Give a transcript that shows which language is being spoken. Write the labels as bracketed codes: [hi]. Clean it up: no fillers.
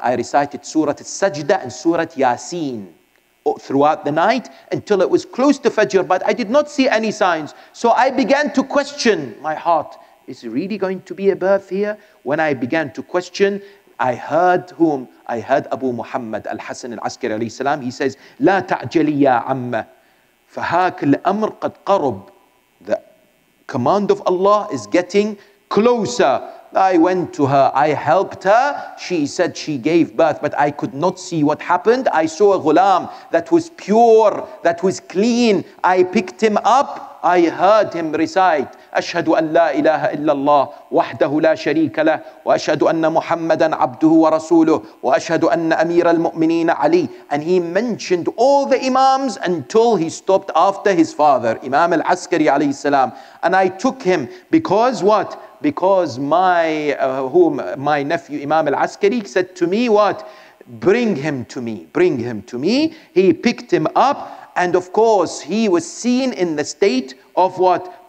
[en] I recited Surah Al-Sajda and Surah Yasin throughout the night until it was close to Fajr, but I did not see any signs. So I began to question my heart. Is it really going to be a birth here? When I began to question, I heard whom? I heard Abu Muhammad al-Hassan al-Askari alayhi salam. He says, [ar] لا تعجلي يا عم فهاك الأمر قد قرب. [en] The command of Allah is getting closer. I went to her, I helped her. She said she gave birth, but I could not see what happened. I saw a ghulam that was pure, that was clean. I picked him up, I heard him recite, [ar] أشهد أن لا إله إلا الله وحده لا شريك له وأشهد أن محمدا عبده ورسوله وأشهد أن أمير المؤمنين علي. [en] And he mentioned all the imams until he stopped after his father, Imam al-Askari alayhi salam. And I took him because what? Because my nephew Imam al-Askari said to me, what? Bring him to me, bring him to me. He picked him up, and of course he was seen in the state of what?